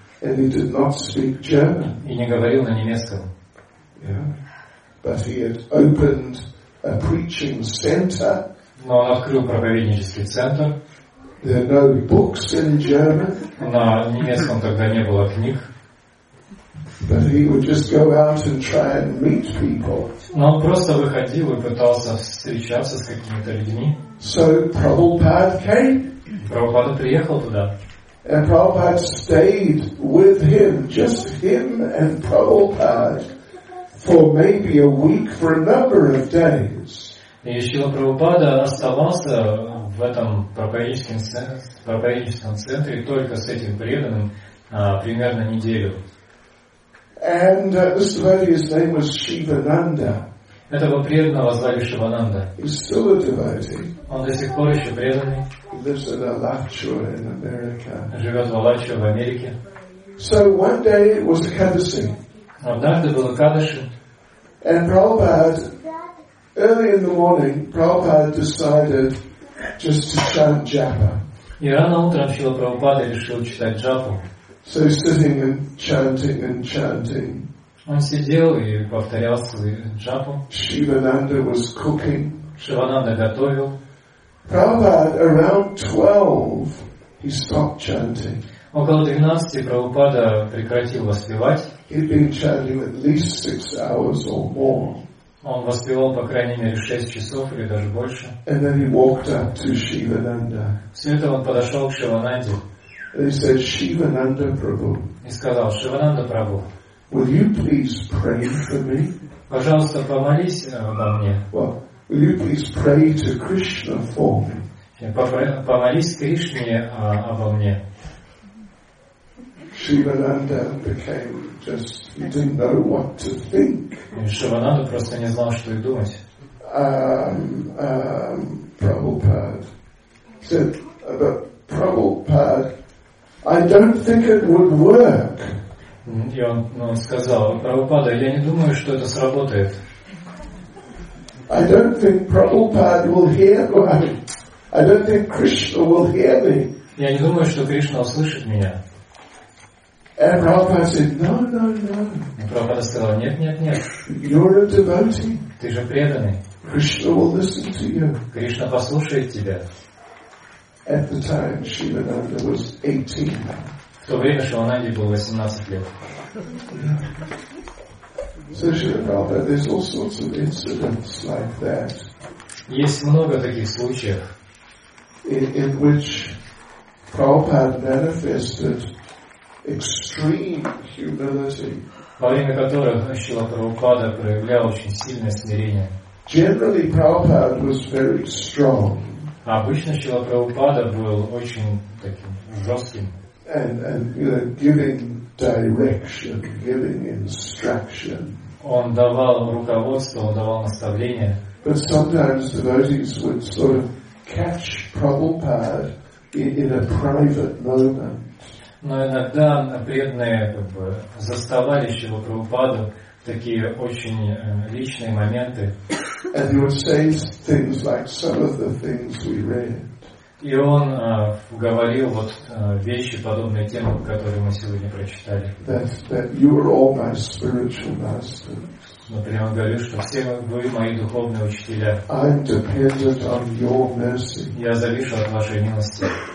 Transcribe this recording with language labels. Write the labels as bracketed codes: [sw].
[en] And he did not speak German. [ru] И не говорил на немецком. [en] Yeah. But he had opened a preaching center. [ru] Но он открыл проповеднический центр. [en] There are no books in German. [ru] На немецком тогда не было книг. [en] But he would just go out and try and meet people. [ru] Но он просто выходил и пытался встречаться с какими-то людьми. [en] So Prabhupada came. [ru] Прабхупада приехал туда. [en] And Prabhupada stayed with him, just him and Prabhupada, for maybe a week for a number of days. [ru] И Шрила Прабхупада оставался в этом проповедническом центре только с этим преданным примерно неделю. [en] And this devotee's name was Shivananda. [ru] Этого преданного звали Шивананда. [en] He's still a devotee. [ru] Он до сих пор еще преданный. [en] He lives in Alachua in America. [ru] Живет в Алачуа в Америке. [en] So one day it was a Kadashi. [ru] Однажды было Кадаши. [en] And Prabhupada, early in the morning, Prabhupada decided just to chant japa. [ru] И рано утром Шрила Прабхупада решил читать джапу. [en] So sitting and chanting and chanting. [ru] Он сидел и повторял свою джапу. [en] Шивананда was cooking. [ru] Шивананда готовил. [en] Prabhupada, around 12, he stopped chanting. [ru] Около 12 Прабхупада прекратил воспевать. [en] He'd been chanting at least 6 hours or more. [ru] Он воспевал по крайней мере 6 часов или даже больше. [en] And then he walked up to Shivananda. [ru] Все это он подошел к Шивананде. [en] And he said, Shivananda Prabhu. [ru] И сказал, Шивананда Прабху. [en] Will you please pray for me? [ru] Пожалуйста, помолись обо мне. [en] Well, will you please pray to Krishna for me? [ru] Помолись Кришне обо мне. [en] Shivananda became just, he didn't know what to think. [ru] Шивананда просто не знал, что и думать. [en] Prabhupada said, but Prabhupada, I don't think it would work. [ru] И он, ну, сказал, Прабхупада, я не думаю, что это сработает. [en] I don't think Prabhupada will hear me. I don't think Krishna will hear me. [ru] Я не думаю, что Кришна услышит меня. [en] And Prabhupada said, no, no, no. [ru] И Прабхупада сказал, нет, нет, нет. [en] You're a devotee. [ru] Ты же преданный. [en] Krishna will listen to you. [ru] Кришна послушает тебя. [en] At the time, Shivananda was 18. [ru] В то время Шиванади было 18 лет. [en] So Shrila Prabhupada, there's all sorts of incidents like that. [ru] Есть много таких случаев, [en] in which Prabhupada manifested extreme humility. [ru] Во время которых Шрила Прабхупада проявлял очень сильное смирение. [en] Generally, Prabhupada was very strong. [ru] Обычно Шрила Прабхупада был очень таким жестким. [en] And you know, giving direction, giving instruction. [ru] Он давал руководство, он давал наставления. [en] But sometimes devotees would sort of catch Prabhupada in a private moment. [ru] Но иногда преданные как бы заставали Шрилу Прабхупаду такие очень личные моменты. [en] And he would say things like some of the things we read. [ru] И он говорил вот вещи, подобные тем, которые мы сегодня прочитали. Например, он говорил, что все вы мои духовные учителя. [en] I'm dependent on your mercy. [ru] Я завишу от вашей милости.